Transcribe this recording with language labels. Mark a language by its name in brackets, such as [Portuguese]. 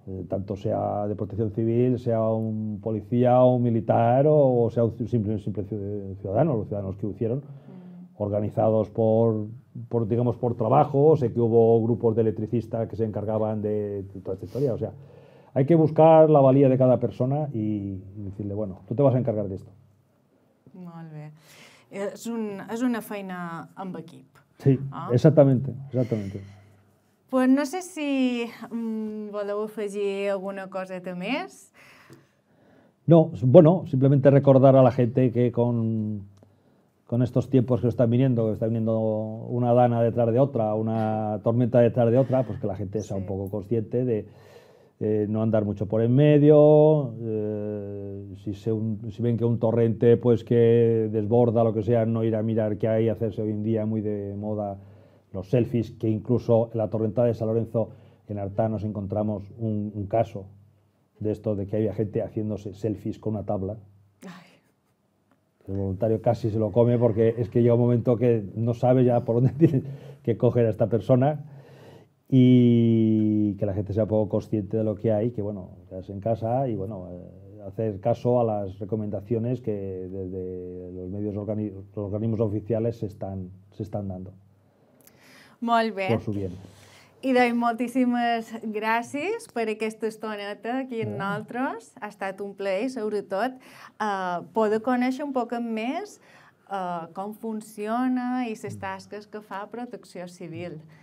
[Spanish] Tanto sea de protección civil, sea un policía o un militar o sea un simple ciudadano, los ciudadanos que hicieron, organizados digamos, por trabajo, sé que hubo grupos de electricistas que se encargaban de toda esta historia. O sea, hay que buscar la valía de cada persona y decirle, bueno, tú te vas a encargar de esto. [Catalan] Molt bé. És una feina amb equip. [Spanish] Sí, exactamente, exactamente. [Catalan] Pues no sé si voleu afegir alguna coseta més. [Spanish] No, bueno, simplemente recordar a la gente que con estos tiempos que están viniendo, una dana detrás de otra, una tormenta detrás de otra, pues que la gente sea un poco consciente de no andar mucho por en medio, si ven que un torrente pues que desborda, lo que sea, no ir a mirar qué hay, hacerse hoy en día muy de moda los selfies, que incluso en la torrenta de San Lorenzo, en Artá, nos encontramos un caso de esto, de que había gente haciéndose selfies con una tabla. El voluntario casi se lo come porque es que llega un momento que no sabe ya por dónde tiene que coger a esta persona y que la gente sea poco consciente de lo que hay, que bueno, quedarse en casa y bueno, hacer caso a las recomendaciones que desde los medios organismos oficiales se están dando. [Catalan] Molt bé. [Spanish] Por su bien. [Catalan] I doncs moltíssimes gràcies per aquesta estoneta aquí amb nosaltres. Ha estat un plaer, sobretot, poder conèixer un poc més com funciona i les tasques que fa Protecció Civil.